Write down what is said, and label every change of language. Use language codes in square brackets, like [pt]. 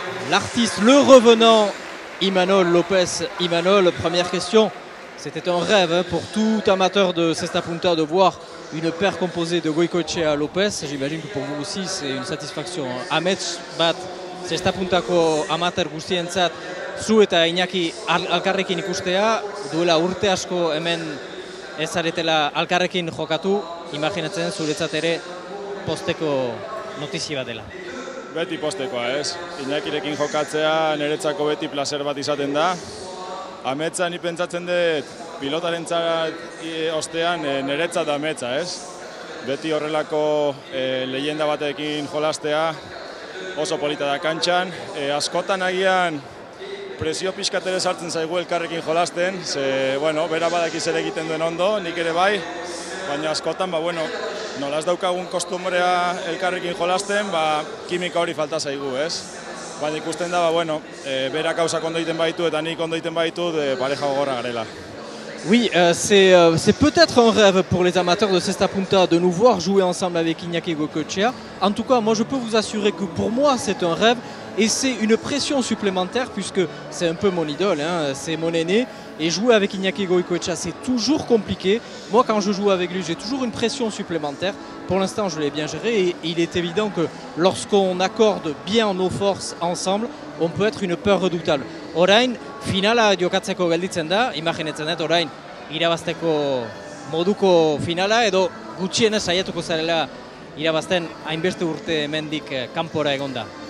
[fr] L'artiste, le revenant, Imanol López. Imanol, première question. C'était un rêve hein, pour tout amateur de Cesta Punta de voir une paire composée de Goicoechea López. J'imagine que pour vous aussi, c'est une satisfaction. [eu] Amets bat, Cesta Punta ko amateur guztientzat, zu eta Iñaki alkarrekin ikustea, duela urte asko hemen ez zaretela alkarrekin jokatu, imaginatzen zuretzat ere posteko notizi bat dela. Beti postekoa ez, Iñakirekin jokatzea niretzako beti placer bat izaten da. Ametsa ni pentsatzen dut pilotaren txarat ostean niretzat ametsa ez. Beti horrelako leyenda batekin jolastea oso polita da kantxan, askotan agian presio pixkatere sartzen zaigu elkarrekin jolasten, ze, bueno, bera badakiz ere egiten duen ondo, nik ere bai, baina askotan, ba, bueno, nolaz daukagun kostumorea elkarrekin jolasten, ba, kimika hori falta zaigu, ez? Baina ikusten da, ba, bueno, bera kausak ondo egiten baitu eta nik ondo egiten baitu, pareja gogorra garela. [fr] Oui, c'est peut-être un rêve pour les amateurs de Cesta Punta de nous voir jouer ensemble avec Iñaki Goicoechea. En tout cas, moi je peux vous assurer que pour moi c'est un rêve et c'est une pression supplémentaire puisque c'est un peu mon idole, hein, c'est mon aîné. Et jouer avec Iñaki Goicoechea c'est toujours compliqué. Moi quand je joue avec lui j'ai toujours une pression supplémentaire. Pour l'instant je l'ai bien géré et il est évident que lorsqu'on accorde bien nos forces ensemble, on peut être une peur redoutable. [eu] Orain, finala jokatzeko gelditzen da, imaginatzen dut orain irabazteko moduko finala edo gutxienez saiatuko zarela irabazten hainbeste urte hemendik kanpora egonda.